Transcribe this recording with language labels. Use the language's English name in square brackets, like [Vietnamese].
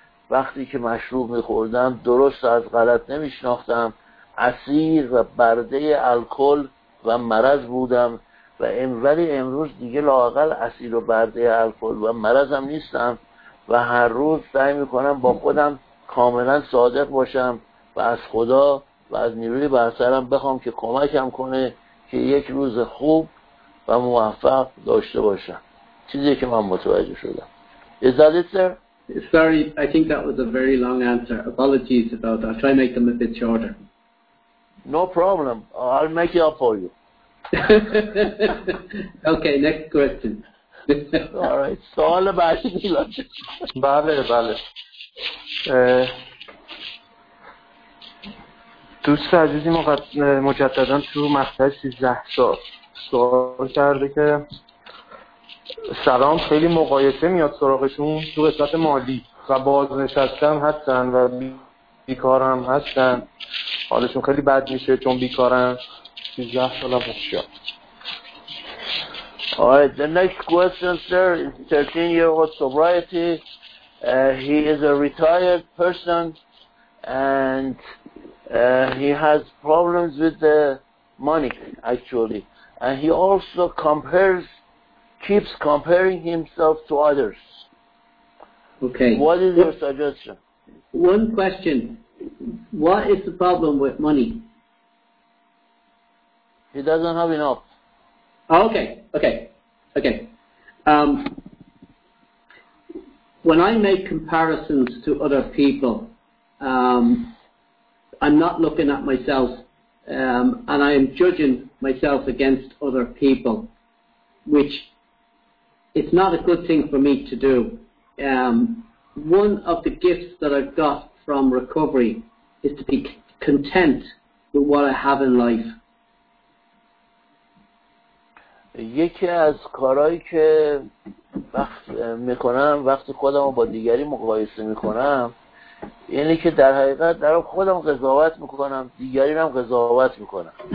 [Persian] وقتی که مشروب میخوردم درست از غلط نمیشناختم، اسیر و برده الکل و مرض بودم و ولی امروز دیگه لااقل اسیر و برده الکل و مرضم نیستم و هر روز سعی میکنم با خودم کاملا صادق باشم و از خدا و از نیروی برترم بخوام که کمکم کنه که یک روز خوب و موفق داشته باشم. چیزی که من متوجه شدم. [English] Is that it, sir? Sorry, I think that was a very long answer. Apologies about that. I'll try to make them a bit shorter. No problem. I'll make it up for you. Okay, next question. All right. [Persian] سوال بعدی لطفا. بله بله. دوست عزیزی مجددا تو مقطع 13 سوال کرده که سلام، خیلی مقایسه میاد سراغشون تو قسمت مالی و بازنشستم هستن و بیکارم هستن، حالشون خیلی بد میشه چون بیکارم. 13 سال هم خوشی هم. [English] Alright, the next question, sir, is 13 year old sobriety. He is a retired person and he has problems with the money actually, and he also keeps comparing himself to others. Okay. What is your suggestion? One question. What is the problem with money? He doesn't have enough. Okay. When I make comparisons to other people, I'm not looking at myself, and I am judging myself against other people, which it's not a good thing for me to do. One of the gifts that I've got from recovery is to be content with what I have in life. [Persian] یکی از کارهایی که وقت میکنم وقتی خودم رو با دیگری مقایسه میکنم اینه که در حقیقت دارم خودم قضاوت میکنم، دیگری هم قضاوت میکنم.